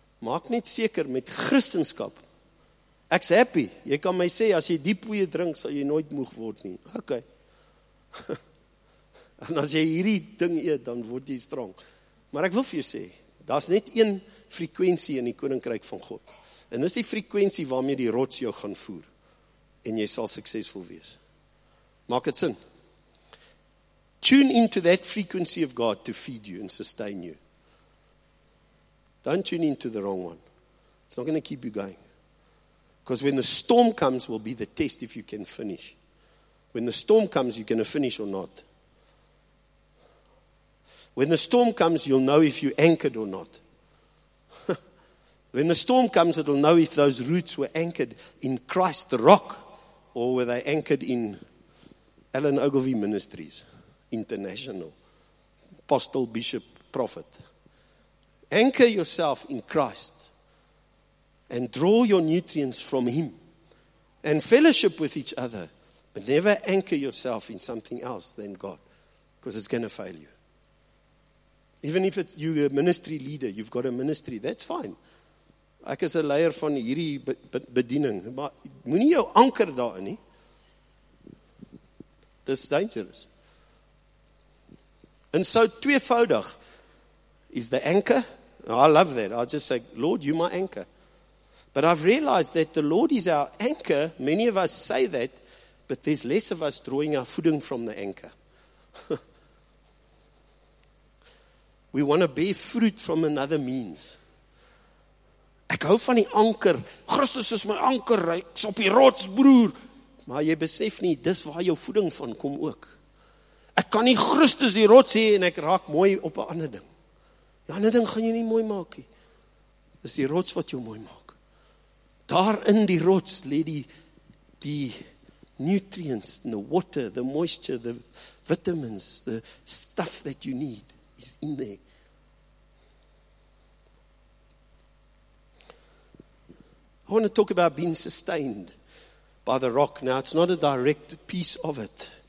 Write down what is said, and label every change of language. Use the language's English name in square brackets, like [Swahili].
[Afrikaans] Maak net seker met Christenskap. Ek's happy. Jy kan my sê, as jy die poeie drink, sal jy nooit moeg word nie. Okay. En as jy hierdie ding eet, dan word jy strong. Maar ek wil vir jou sê, daar's net een frekwensie in die Koninkryk van God. En dis die frekwensie waarmee die rots jou gaan voer. En jy sal suksesvol wees. Maak het sin. [English] Tune into that frequency of God to feed you and sustain you. Don't tune into the wrong one. It's not going to keep you going. Because when the storm comes, will be the test if you can finish. When the storm comes, you're going to finish or not. When the storm comes, you'll know if you're anchored or not. When the storm comes, it'll know if those roots were anchored in Christ the rock or were they anchored in Alan Ogilvie Ministries, International, Apostle, Bishop, Prophet. Anchor yourself in Christ. and draw your nutrients from him and fellowship with each other, but never anchor yourself in something else than God, because it's going to fail you. Even if you're a ministry leader, you've got a ministry, that's fine. [Afrikaans] Ek is 'n leier van hierdie bediening, maar moenie jou anker daarin nie. Dis dangerous. En so tweevoudig is [English] the anchor. I love that. I just say, Lord, you're my anchor. But I've realized that the Lord is our anchor. Many of us say that, but there's less of us drawing our footing from the anchor. We want to bear fruit from another means. [Afrikaans] Ek hou van die anker. Christus is my anker. Ek's op die rots, broer. Maar jy besef nie, dis waar jou voeding van kom ook. Ek kan nie Christus die rots hê en ek raak mooi op 'n ander ding. Die ander ding gaan jy nie mooi maak nie. Dis die rots wat jou mooi maak. Daar in die rots lê die [English] nutrients, the water, the moisture, the vitamins, the stuff that you need is in there. I want to talk about being sustained by the rock. Now, it's not a direct piece of it.